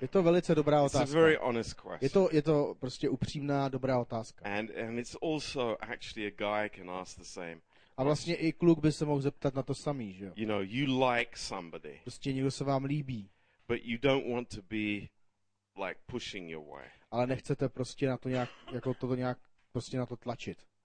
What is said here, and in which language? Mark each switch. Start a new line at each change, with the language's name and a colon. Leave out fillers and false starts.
Czech: Je to velice dobrá otázka.
English: It's a very honest question.
Czech: Je to prostě upřímná dobrá otázka.
English: And it's also actually a guy can ask the same.
Czech: A vlastně i kluk by se mohl zeptat na to samý, že?
English: You know, you like somebody.
Czech: Prostě někdo se vám líbí.
English: But you don't want to be like pushing your way.
Czech: Ale nechcete prostě na to nějak jako toto nějak prostě na to tlačit.